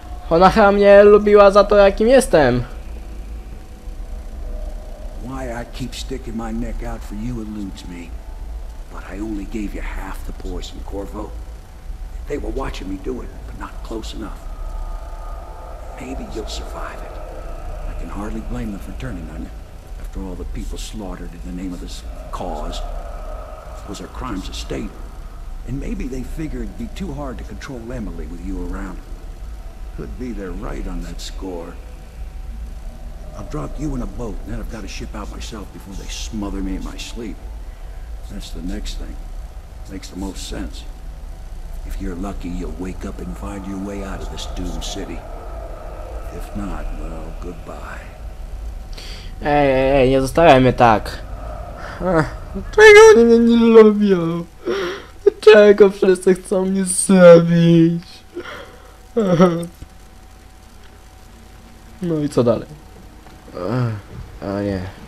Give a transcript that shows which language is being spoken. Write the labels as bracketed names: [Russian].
[Polish] Ona chyba mnie lubiła za to, jakim jestem. [English] Why I keep sticking my neck out for you eludes me. But I only gave you half the poison, Corvo. They were watching me do it, but not close enough. Maybe you'll survive it. I can hardly blame them for turning on you. After all the people slaughtered in the name of this cause. Those are crimes of state. And maybe they figure it'd be too hard to control Emily with you around. Could be they're right on that score. I'll drop you in a boat, and then I've got to ship out myself before they smother me in my sleep. That's the next thing. Makes the most sense. If you're lucky, you'll wake up and find your way out of this doomed city. If not, well, goodbye. [Polish] Ej, ej, ej, nie zostawiaj mnie tak. Czego oni mnie nie lubią? Dlaczego wszyscy chcą mnie zabić? No i co dalej? A nie.